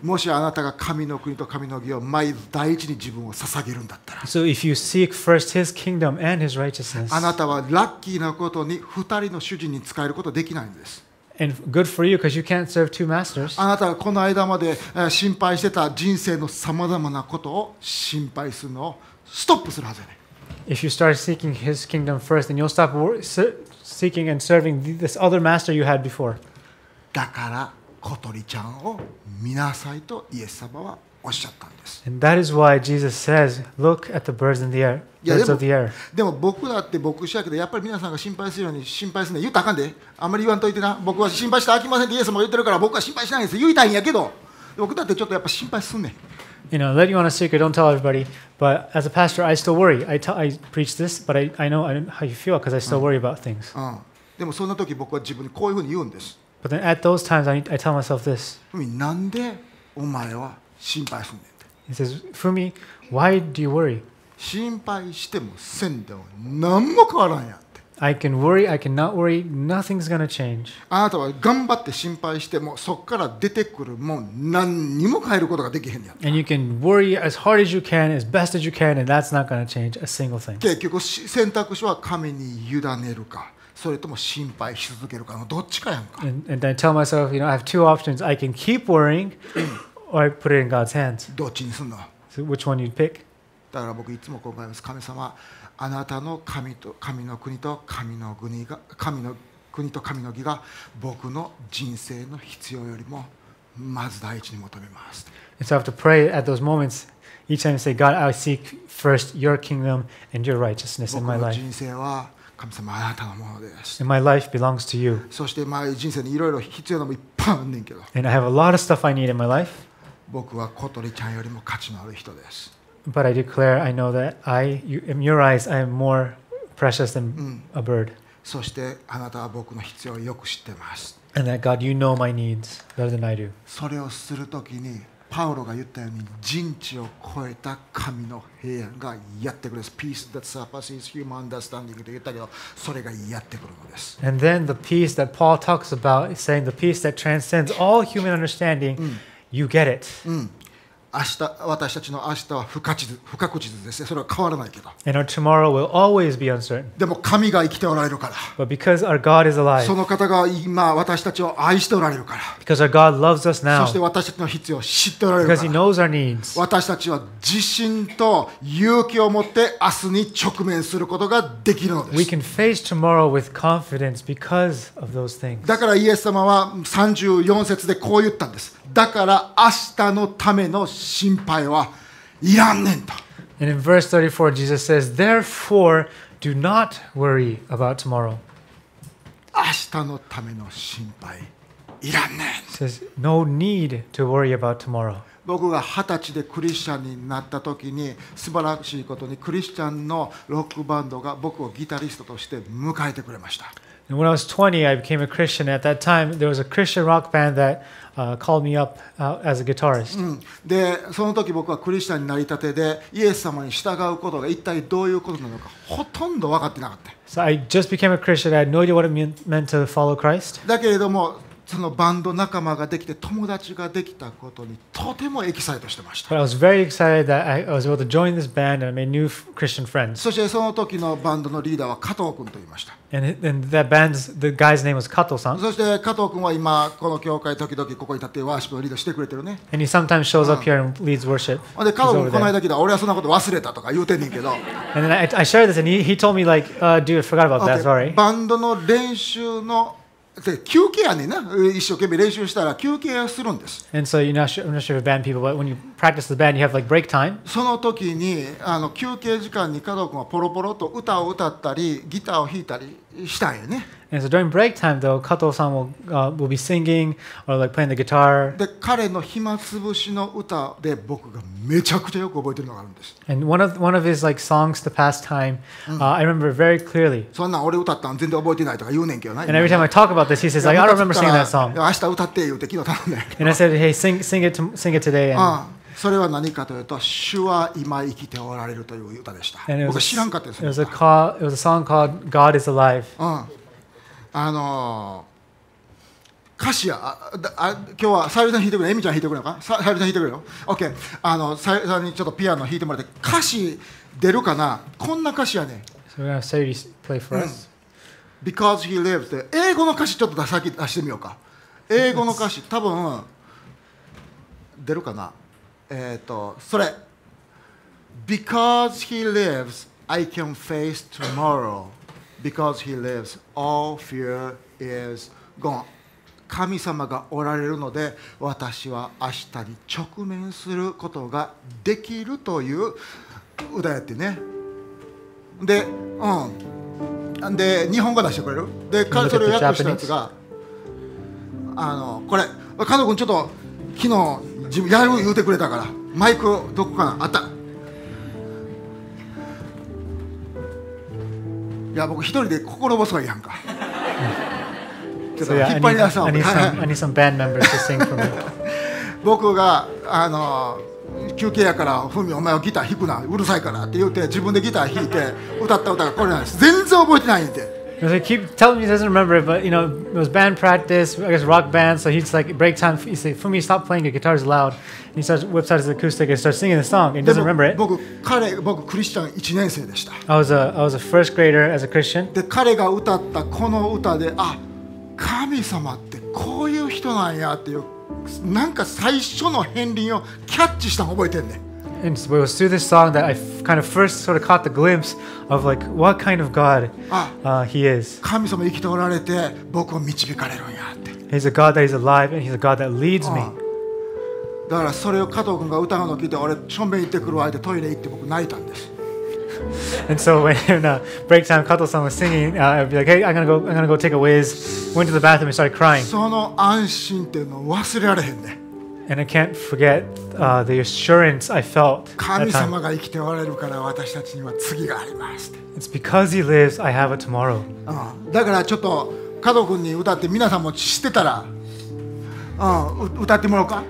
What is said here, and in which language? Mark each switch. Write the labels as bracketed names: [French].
[Japanese] もしあなたが神の国と神の義を毎日第一に自分を捧げるんだったら、 [English] So if you seek first his kingdom and his righteousness, [Japanese] あなたはラッキーなことに二人の主人に使えることできないんです。 [English] And good for you because you can't serve two masters. [Japanese] あなたがこの間まで心配してた人生のさまざまなことを心配するのをストップするはずやね。 [English] If you start seeking his kingdom first, then you'll stop seeking and serving this other master you had before. [Japanese] だから小鳥ちゃんを見なさいとイエス様はおっしゃったんです。 [English] And that is why Jesus says, "Look at the birds in the air." Birds of the air. [Japanese] でも僕だって牧師やけど、やっぱり皆さんが心配するように心配するね。言ったらあかんで。あまり言わんといてな。僕は心配してあきませんってイエス様が言ってるから、僕は心配しないんです。言いたいんやけど、僕だってちょっとやっぱ心配すんね。 [English] You know, let you on a secret, don't tell everybody. But as a pastor, I still worry. I preach this, but I know how you feel because I still worry about things. [Japanese] でもそんな時僕は自分にこういうふうに言うんです。 [English] But then at those times, I tell myself this. [Japanese] Fumi, なんでお前は心配すんねんって。 [English] He says, Fumi, why do you worry? [Japanese] 心配してもせんでも何も変わらんやって。 [English] I can worry, I cannot worry, nothing's gonna change. [Japanese] あなたは頑張って心配してもそこから出てくるもん何にも変えることができへんやって。 [English] And you can worry as hard as you can, as best as you can, and that's not gonna change a single thing. [Japanese] 結局選択肢は神に委ねるか。それとも心配し続けるかのどっちかやんか。 [English] And I tell myself, you know, I have two options. I can keep worrying, or I put it in God's hands. [Japanese] どっちにすんの？ [English] So which one you'd pick? [Japanese] だから僕いつもこう思います。神様、あなたの神と神の国と神の国が神の国と神の義が僕の人生の必要よりもまず第一に求めます。 [English] And so I have to pray at those moments. Each time I say, God, I seek first Your kingdom and Your righteousness in my life. [Japanese] 僕の人生は神様あなたのものです。 [English] And my life belongs to you. [Japanese] そしてまあ人生にいろいろ必要なものいっぱいあんねんけど。 [English] And I have a lot of stuff I need in my life. [Japanese] 僕は小鳥ちゃんよりも価値のある人です。 [English] But I declare, I know that I, in your eyes, I am more precious than a bird. [Japanese] そしてあなたは僕の必要をよく知ってます。 [English] And that God, you know my needs better than I do. [Japanese] それをするときに。パウロが言ったように人知を超えた神の平安がやってくるんです。 [English] Peace that surpasses human understanding [Japanese] と言ったけど、それがやってくるのです。 [English] And then the peace that Paul talks about, saying the peace that transcends all human understanding, you get it. [Japanese] 明日、私たちの明日は不確実ですね。それは変わらないけど。 [English] And our tomorrow will always be uncertain. [Japanese] でも神が生きておられるから。 [English] But because our God is alive. [Japanese] その方が今私たちを愛しておられるから。 [English] Because our God loves us now. [Japanese] そして私たちの必要を知っておられるから。 [English] Because He knows our needs. [Japanese] 私たちは自信と勇気を持って明日に直面することができるのです。 [English] We can face tomorrow with confidence because of those things. [Japanese] だからイエス様は34節でこう言ったんです。だから明日のための心配はいらんねんと。 [English] And in verse 34, Jesus says, "Therefore, do not worry about tomorrow." [Japanese] 明日のための心配いらんねん。 [English] Says, "No need to worry about tomorrow." [Japanese] 僕が二十歳でクリスチャンになった時に素晴らしいことにクリスチャンのロックバンドが僕をギタリストとして迎えてくれました。 [English] And when I was 20, I became a Christian. At that time, there was a Christian rock band that called me up as a guitarist. [Japanese] で、その時僕はクリスチャンになりたてで、イエス様に従うことが一体どういうことなのかほとんど分かってなかった。 [English] So I just became a Christian. I had no idea what it meant to follow Christ. [Japanese] だけれども、そのバンド仲間ができて友達ができたことにとてもエキサイトしてました。 [English] But I was very excited that I was able to join this band and I made new Christian friends. [Japanese] そしてその時のバンドのリーダーは加藤君と言いました。 [English] And that band's the guy's name was Kato さん。 [Japanese] そして加藤君は今この教会時々ここに立ってワーシップのリードしてくれてるね。 [English] And he sometimes shows up here and leads worship. [Japanese] で加藤君この間来た俺はそんなこと忘れたとか言うてんねんけど。 [English] And then I shared this and he told me like, dude, I forgot about that, sorry. [Japanese] バンドの練習ので、休憩やねんな。一生懸命練習したら休憩するんです。 [English] And so you're not sure, if band people, but when you practice the band, you have like break time. [Japanese] その時に休憩時間に加藤君はポロポロと歌を歌ったりギターを弾いたりしたんよね。 [English] And so during break time, though, 加藤さん will be singing or like playing the guitar. [Japanese] で彼の暇つぶしの歌で僕がめちゃくちゃよく覚えてるのがあるんです。 [English] And one of his like songs the past time, I remember very clearly. [Japanese] そんな俺歌ったん全然覚えてないとか言うねんけどな。 [English] And every time I talk about this, he says, like, I don't remember singing that song. [Japanese] 明日歌って言うて昨日頼んで。 [English] And I said, hey, sing it today. And [Japanese] それは何かというと、主は今生きておられるという歌でした。 [English] And、 [Japanese] 僕知らんかったですね。 [English] It was a song called God Is Alive. [Japanese] 歌詞や、今日はサイルさん弾いてくれ、エミちゃん弾いてくれのか、サイルさん弾いてくれよ。 OK、サイルさんにちょっとピアノ弾いてもらって、歌詞出るかな、こんな歌詞やね。 [English] So we're gonna say play for us. Because he lives. [Japanese] 英語の歌詞ちょっと出してみようか。英語の歌詞、多分出るかな。それ、 [English] because he lives, I can face tomorrow. Because he lives, all fear is gone. [Japanese] 神様がおられるので、私は明日に直面することができるという歌やってね。で、うん。で、日本語出してくれる？で、彼それを訳したやつが、あの、これ、カノ君ちょっと昨日自分やる言うてくれたから、マイクどこかな？あった。いや、僕一人で心細いやんか。 [English] So, yeah, I need some band members to sing for me. [Japanese] 僕が、あの、休憩やから、フミ、お前はギター弾くな、うるさいからって言って、自分でギター弾いて、歌った歌がこれなんです。全然覚えてないんで。 [English] So he keep telling me he doesn't remember it, but you know, it was band practice, I guess rock band, so he's like, break time, he says, Fumi, stop playing, your guitar is loud. And he starts, whips out his acoustic and starts singing the song, and he doesn't remember it. [Japanese] 僕、彼、僕、クリスチャン1年生でした。 [English] I was a first grader as a Christian. [Japanese] で、彼が歌ったこの歌で、あ、神様ってこういう人なんやっていう、なんか最初の片鱗をキャッチしたの覚えてんね。 [English] And so it was through this song that I kind of first sort of caught the glimpse of like what kind of God he is. [Japanese] 神様生きておられて僕を導かれるんやって。 [English] He's a God that is alive and he's a God that leads me. [Japanese] だからそれを加藤君が歌うのを聞いて、俺ションベン行ってくるわってトイレ行って僕泣いたんです。 [English] And so when break time, Kato-san was singing, I'd be like, hey, I'm gonna go take a whiz. Went to the bathroom and started crying. [Japanese] その安心っていうの忘れられへんね。 [English] And I can't forget the assurance I felt. [Japanese] 神様が生きておられるから私たちには次があります。 [English] It's because he lives, I have a tomorrow. [Japanese] だからちょっと Kato 君に歌って皆さんも知ってたら、歌ってもらおうか。